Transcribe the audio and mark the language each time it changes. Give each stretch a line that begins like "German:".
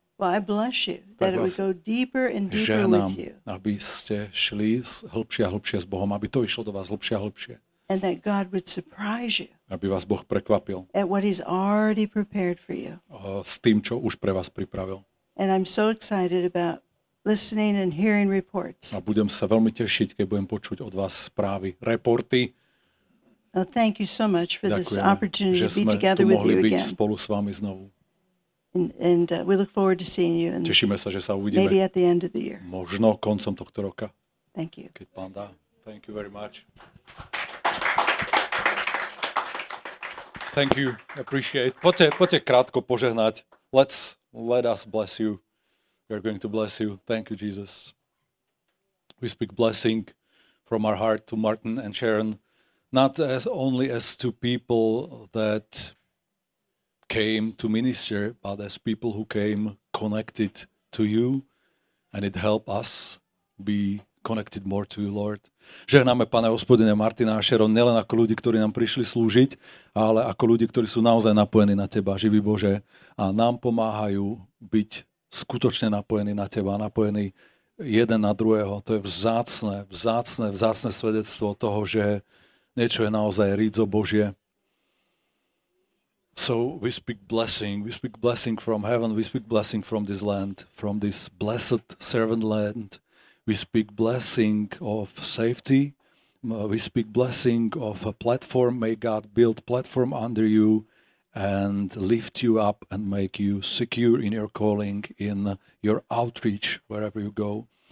English: Well, I bless you that it would go deeper and deeper ženám, with you.
Slovak: Aby ste šli hlbšie a hlbšie s Bohom, aby to išlo do vás hlbšie a hlbšie.
English: And that God would surprise you.
Slovak: Aby vás Boh prekvapil.
English: At what he's already prepared for you.
Slovak: S tým, čo už pre vás pripravil.
English: And I'm so excited about listening and hearing reports.
Slovak: A budem sa veľmi tešiť, keď budem počuť od vás správy, reporty.
English: Well, thank you so much for
Slovak: ďakujeme,
English: this opportunity to be together with you again.
Slovak: Že sme mohli byť spolu s vami znovu.
English: And we look forward to seeing you.
Slovak: Tešíme sa, že sa uvidíme.
English: Maybe at the end of the year.
Slovak: Možno koncom tohto roka.
English: Thank you.
Slovak: Keď pán dá.
English: Thank you very much. Thank you. Appreciate.
Slovak: Poďte krátko požehnať.
English: Let us bless you. We are going to bless you. Thank you, Jesus. We speak blessing from our heart to Martin and Sharon, not as only as to people that came to minister, but as people who came connected to you, and it helped us be connected more to you, Lord.
Slovak: Žehnáme Pane Hospodine Martina a Sharon nielen ako ľudí, ktorí nám prišli slúžiť, ale ako ľudí, ktorí sú naozaj napojení na Teba, živý Bože, a nám pomáhajú byť skutočne napojení na Teba, napojení jeden na druhého. To je vzácne svedectvo toho, že niečo je naozaj rídzo Božie.
English: So we speak blessing. We speak blessing from heaven. We speak blessing from this land, from this blessed servant land. We speak blessing of safety. We speak blessing of a platform. May God build platform under you and lift you up and make you secure in your calling, in your outreach, wherever you go.